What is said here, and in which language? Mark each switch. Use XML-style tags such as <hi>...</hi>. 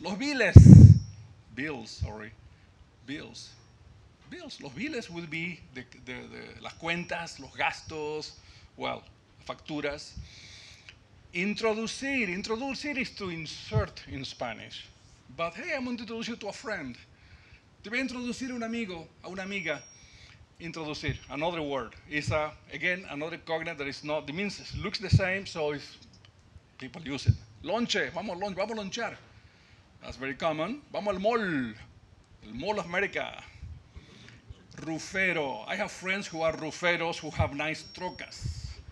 <en>Los biles. Bills, sorry. Bills. Bills.</en> <es>Los biles</es> <en>would be the</en> <es>las cuentas, los gastos, well, facturas.</es> <en>Introducir. Introducir is to insert in Spanish. But hey, I'm going to introduce you to a friend.</en> <es>Te voy a introducir a un amigo, a una amiga.</es> <en>Introducir, another word. It's, again, another cognate that is not, it means it looks the same, so it's, people use it.</en> <es>Lonche, vamos a lunch, vamos a lonchar.</es> <en>That's very common.</en> <es>Vamos al mall,</es> <en>el Mall of America. Rufero, I have friends who are ruferos who have nice trocas.</en>